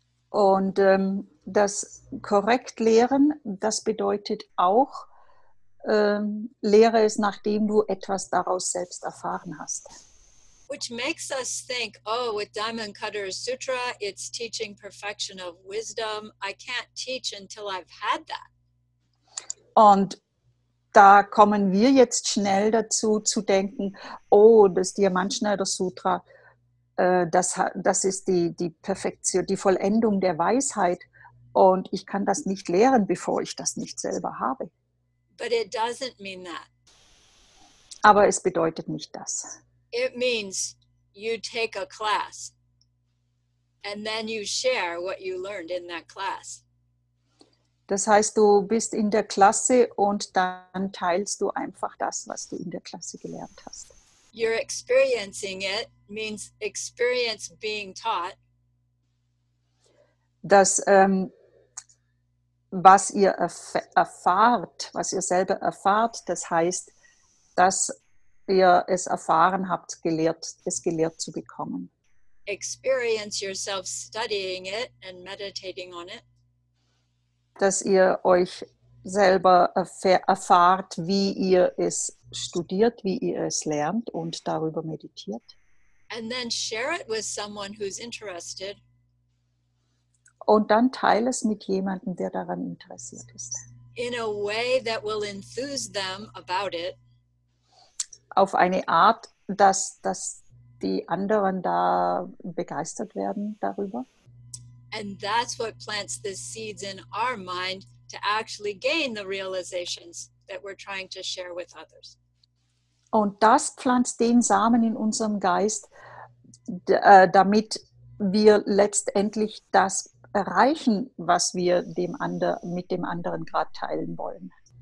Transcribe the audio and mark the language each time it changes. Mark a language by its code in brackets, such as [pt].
[de] Und das korrekt lehren, das bedeutet auch, lehre es, nachdem du etwas daraus selbst erfahren hast. [en] Which makes us think, oh, with Diamond Cutter's Sutra, it's teaching perfection of wisdom. I can't teach until I've had that. [de] Und da kommen wir jetzt schnell dazu zu denken, oh, das Diamantschneider Sutra, das ist die Perfektion, die Vollendung der Weisheit. Und ich kann das nicht lehren, bevor ich das nicht selber habe. [en] But it doesn't mean that. [de] Aber es bedeutet nicht das. [en] It means you take a class and then you share what you learned in that class. [de] Das heißt, du bist in der Klasse und dann teilst du einfach das, was du in der Klasse gelernt hast. [en] You're experiencing it means experience being taught. [de] Das, was ihr erfahrt, was ihr selber erfahrt, das heißt, dass ihr es erfahren habt, gelehrt zu bekommen. [en] Experience yourself studying it and meditating on it. [de] Dass ihr euch selber erfahrt, wie ihr es studiert, wie ihr es lernt und darüber meditiert. [en] And then share it with someone who's interested. [de] Und dann teile es mit jemandem, der daran interessiert ist. [en] In a way that will enthuse them about it. [de] Auf eine Art, dass die anderen da begeistert werden darüber. [en] And that's what plants the seeds in our mind to actually gain the realizations that we're trying to share with others. [de] Und das pflanzt den Samen in unserem Geist, damit wir letztendlich das erreichen, was wir mit dem anderen gerade teilen wollen.